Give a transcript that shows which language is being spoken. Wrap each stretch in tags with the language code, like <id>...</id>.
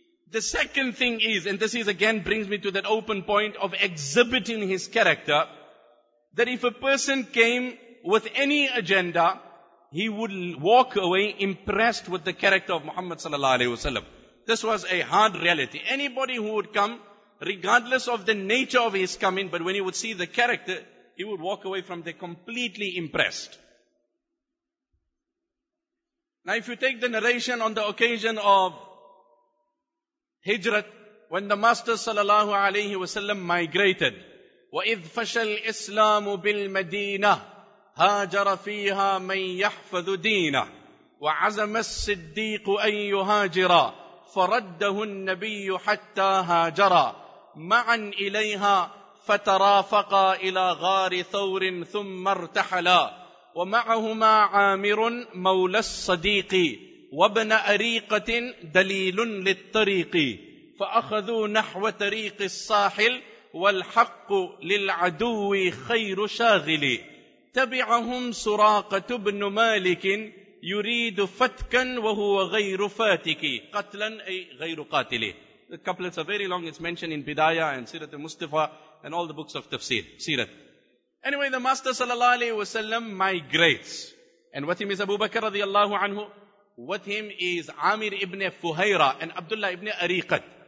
<en>The second thing is, and this is again brings me to that open point of exhibiting his character, that if a person came with any agenda, he would walk away impressed with the character of Muhammad sallallahu alaihi wasallam. This was a hard reality. Anybody who would come, regardless of the nature of his coming, but when he would see the character, he would walk away from there completely impressed. Now if you take the narration on the occasion of Hijrat, when the Master sallallahu alayhi wa sallam migrated,</en> <ar>وَإِذْ فَشَ الْإِسْلَامُ بِالْمَدِينَةِ هَاجَرَ فِيهَا مَنْ يَحْفَذُ دِينَةِ وَعَزَمَ الصِّدِّيقُ أَنْ يُهَاجِرَ فَرَدَّهُ النَّبِيُّ حَتَّى هَاجَرَ مَعًا إِلَيْهَا فَتَرَافَقَا إِلَى غَارِ ثَوْرٍ ثُمَّ ارْتَحَلَا وَمَعَهُمَا عَامِرٌ مَوْلَى الصَّدِيقِ وابن أريقة دليل للطريق فأخذوا نحو طريق الساحل والحق للعدو خير شاغل تبعهم سراقة بن مالك يريد فتكا وهو غير فاتك قتلا أي غير قاتل.</ar> <en>the couplets are very long. It's mentioned in Bidayah and Sirat al-Mustafa and all the books of Tafsir, Sirat. Anyway, the Master sallallahu alayhi wa sallam migrates. And with him is Abu Bakr radiallahu anhu. With him is Amir ibn Fuhayra and Abdullah ibn Ariqat.</en>